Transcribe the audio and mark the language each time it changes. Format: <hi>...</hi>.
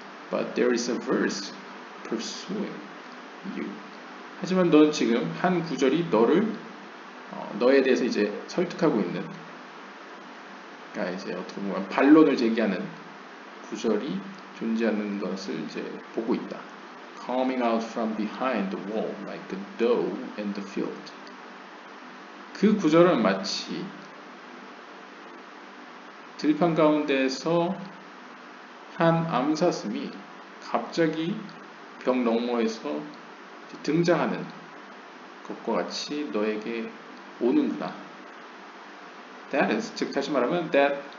<en>But there is a verse pursuing you.</en> <ko>하지만 너는 지금 한 구절이 너를, 너에 대해서 이제 설득하고 있는, 그러니까 이제 어떻게 보면 반론을 제기하는 구절이 존재하는 것을 이제 보고 있다.</ko> <en>Coming out from behind the wall like a doe in the field.</en> <ko>그 구절은 마치 들판 가운데서 한 암사슴이 갑자기 벽 너머에서 등장하는 것과 같이 너에게 오는구나.</ko> <en>That is,</en> <ko>즉 다시 말하면 that</ko>